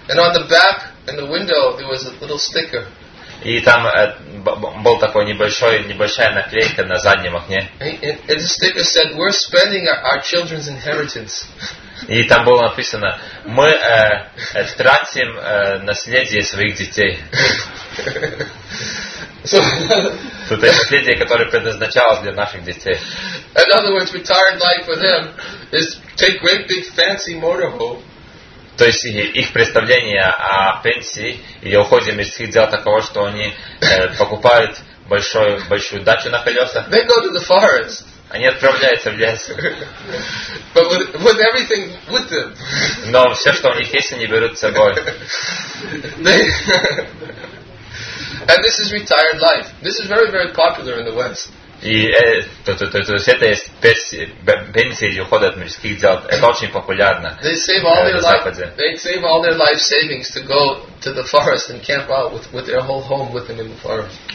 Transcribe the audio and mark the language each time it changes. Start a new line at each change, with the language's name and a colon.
English: And on the back, in the window, there was a little sticker.
Russian: И там был такой небольшая наклейка на заднем окне.
English: And the sticker said, "We're spending our children's inheritance."
Russian: И там было написано, мы тратим наследие своих детей. So, то есть наследие, которое предназначалось для наших детей.
English: In other words, retired life for them is take great big fancy motorhome.
Russian: То есть их представление о пенсии и уходе мирских дел таково, что они покупают большую дачу на колесах.
English: They go to the forest.
Russian: Они отправляются в лес.
English: But with everything with them.
Russian: Но все, что у них есть, они берут с собой.
English: And this is retired life. This is very, very popular in the West.
Russian: И то есть это есть пенсия или уход от мирских дел. Это очень популярно.
English: They save all their life. They save all their life savings to go to the forest and camp out with their whole home with them in the forest.